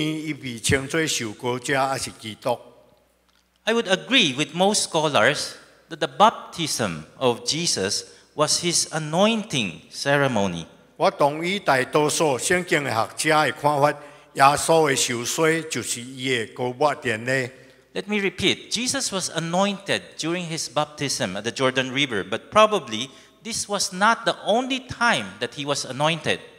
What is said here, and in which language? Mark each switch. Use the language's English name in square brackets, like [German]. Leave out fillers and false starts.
[Min Nan Chinese] 如果耶稣未答应有膏抹，啊，为什么呢？伊被称作受膏者还是基督？ [English] I would agree with most scholars that the baptism of Jesus was his anointing ceremony. [Min Nan Chinese] 我同意大多数圣经学者的看法，耶稣的受洗就是伊的膏抹典礼。 [English] Let me repeat, Jesus was anointed during his baptism at the Jordan River, but probably this was not the only time that he was anointed.